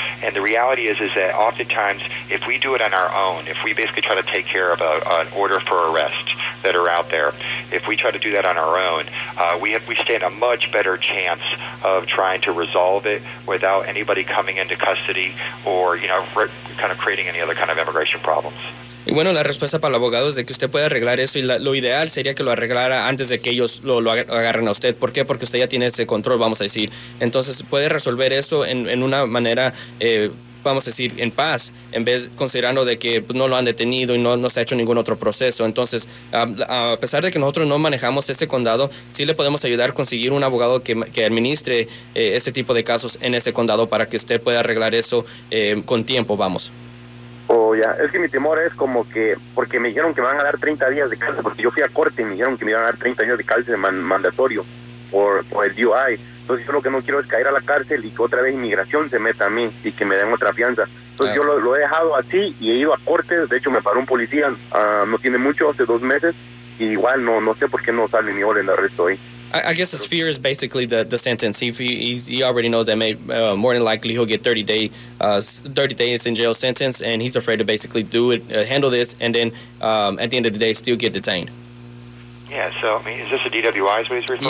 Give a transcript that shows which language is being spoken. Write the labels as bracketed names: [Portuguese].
[English] And the reality is that oftentimes if we do it on our own, if we basically try to take care of an order for arrest that are out there, if we try to do that on our own, we stand a much better chance of trying to resolve it without anybody coming into custody or, you know, kind of creating any other kind of immigration problems. [Spanish] Y bueno, la respuesta para el abogado es de que usted puede arreglar eso y lo ideal sería que lo arreglara antes de que ellos lo agarren a usted. ¿Por qué? Porque usted ya tiene ese control, vamos a decir. Entonces, puede resolver eso en una manera, vamos a decir, en paz, en vez considerando de que no lo han detenido y no se ha hecho ningún otro proceso. Entonces, a pesar de que nosotros no manejamos ese condado, sí le podemos ayudar a conseguir un abogado que administre ese tipo de casos en ese condado para que usted pueda arreglar eso con tiempo, vamos. Es que mi temor es como que, porque me dijeron que me van a dar 30 días de cárcel, porque yo fui a corte y me dijeron que me iban a dar 30 días de cárcel mandatorio por el DUI. Entonces yo lo que no quiero es caer a la cárcel y que otra vez inmigración se meta a mí y que me den otra fianza. Entonces yo lo he dejado así y he ido a corte. De hecho me paró un policía, no tiene mucho, hace dos meses, y igual no sé por qué no sale ni orden de arresto ahí. [English] I guess his fear is basically the sentence. He already knows that more than likely he'll get 30 days in jail sentence, and he's afraid to basically do it, handle this, and then at the end of the day still get detained. Yeah. So, I mean, is this a DWI? Is what he's referring